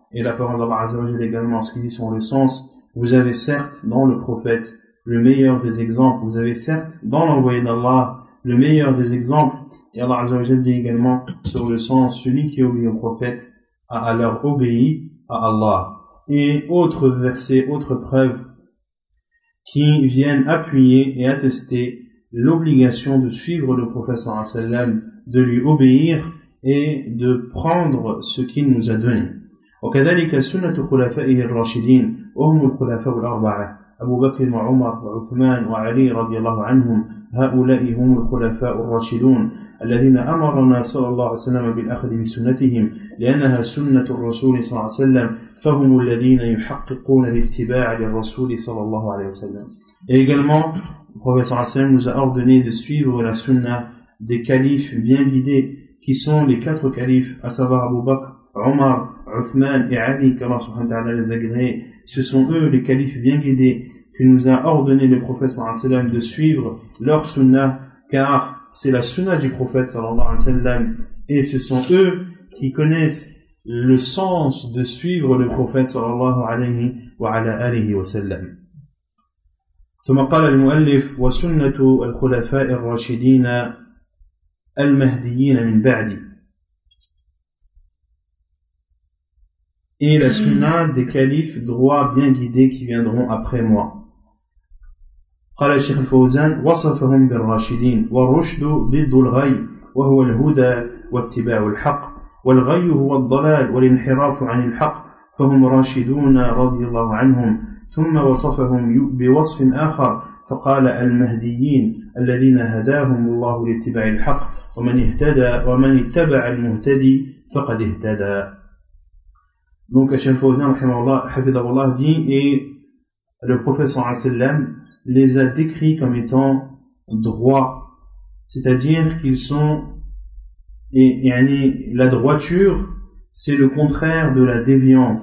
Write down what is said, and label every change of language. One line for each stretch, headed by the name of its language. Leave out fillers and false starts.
French: Et la parole d'Allah azza wa jalla également, ce qu'il dit sur le sens, vous avez certes dans le prophète le meilleur des exemples, vous avez certes dans l'envoyé d'Allah le meilleur des exemples, et Allah azza wa jalla dit également sur le sens, celui qui obéit au prophète a alors obéi à Allah. Et autre verset, autre preuve qui viennent appuyer et attester l'obligation de suivre le prophète sallallahu alayhi wa sallam, de lui obéir et de prendre ce qu'il nous a donné.
Arabic: وكذلك سنة خلفائه الراشدين وهم الخلفاء الأربعة أبو بكر وعمر وعثمان وعلي رضي الله عنهم هؤلاء هم الخلفاء الراشدون الذين أمرنا صلى الله عليه وسلم بالأخذ بسنتهم لأنها سنة الرسول صلى الله عليه وسلم فهم الذين يحققون الاتباع للرسول صلى الله عليه وسلم.
French: Et également, le prophète صلى الله عليه وسلم nous a ordonné de suivre la sunna des califes bien guidés, qui sont les quatre califes, à savoir Abu Bakr, Omar, Uthman et Ali, qu'Allah subhanahu wa ta'ala les agréés. Ce sont eux les califes bien guidés que nous a ordonné le prophète sallallahu alayhi wa sallam de suivre leur sunnah, car c'est la sunnah du prophète sallallahu alayhi wa sallam, et ce sont eux qui connaissent le sens de suivre le prophète sallallahu alayhi wa ala alihi wa sallam.
Arabic: ثم قال المؤلف وسنة الخلفاء الراشدين المهديين من بعدي.
French: Et la sunna des califes droits bien guidés qui viendront après moi.
Arabic: قال الشيخ الفوزان وصفهم بالراشدين والرشد ضد الغي وهو الهدى واتباع الحق والغي هو الضلال والانحراف عن الحق فهم راشدون رضي الله عنهم ثم وصفهم بوصف آخر فقال المهديين الذين هداهم الله لاتباع الحق ومن اهتدى ومن اتبع المهتدي فقد اهتدى.
French: Donc, Hachem Fawzan, Hafidahullah, dit, et le prophète sallallahu alayhi wa sallam les a décrits comme étant droits. C'est-à-dire qu'ils sont, et la droiture, c'est le contraire de la déviance.